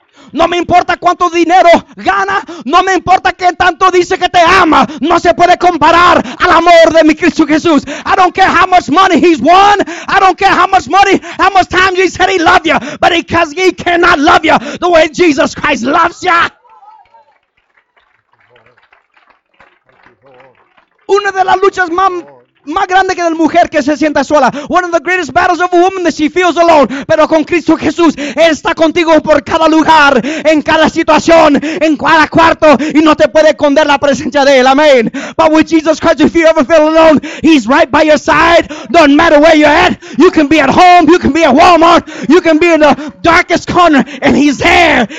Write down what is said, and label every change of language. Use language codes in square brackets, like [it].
[es] No me importa cuánto dinero gana, no me importa que tanto dice que te ama, no se puede comparar al amor de mi Cristo Jesús. [en] I don't care how much money he's won, I don't care how much money, how much time he said he loved you, but because he cannot love you the way Jesus Christ loves you. [es] Una de las luchas más grandes que de la mujer que se sienta sola. [en] One of the greatest battles of a woman that she feels alone. [es] Pero con Cristo Jesús, Él está contigo por cada lugar, en cada situación, en cada cuarto, y no te puede esconder la presencia de Él. Amén. [en] But with Jesus Christ, if you ever feel alone, He's right by your side. Don't matter where you're at. You can be at home. You can be at Walmart. You can be in the darkest corner, and He's there.